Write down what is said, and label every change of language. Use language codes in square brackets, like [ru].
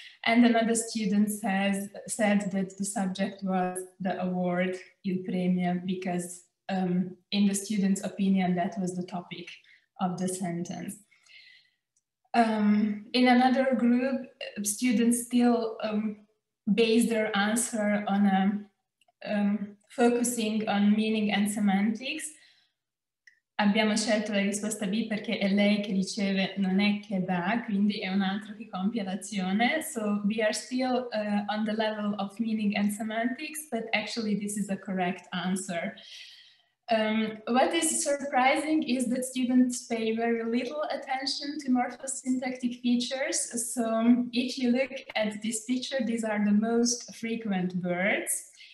[en] And another student said that the subject was the award, [it] il premio, [en] because in the student's opinion, that was the topic of the sentence. In another group, students still based their answer on a focusing on meaning and semantics. [it] Abbiamo scelto la risposta B perché è lei che riceve, non è che dà, quindi è un altro che compie l'azione. [en] So we are still on the level of meaning and semantics, but actually this is a correct answer. What is surprising is that students pay very little attention to morphosyntactic features. So if you look at this picture, these are the most frequent words.